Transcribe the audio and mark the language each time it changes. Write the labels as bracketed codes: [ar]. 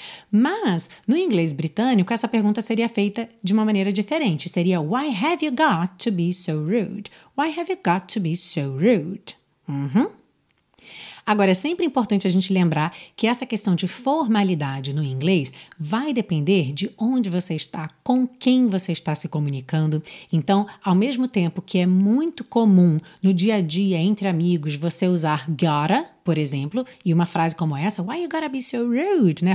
[pt] Mas no inglês britânico essa pergunta seria feita de uma maneira diferente. [en] Seria, why have you got to be so rude? Why have you got to be so rude? Uhum. [pt] Agora, é sempre importante a gente lembrar que essa questão de formalidade no inglês vai depender de onde você está, com quem você está se comunicando. Então, ao mesmo tempo que é muito comum no dia a dia, entre amigos, você usar gotta, por exemplo, e uma frase como essa, [en] why you gotta be so rude, [pt] né?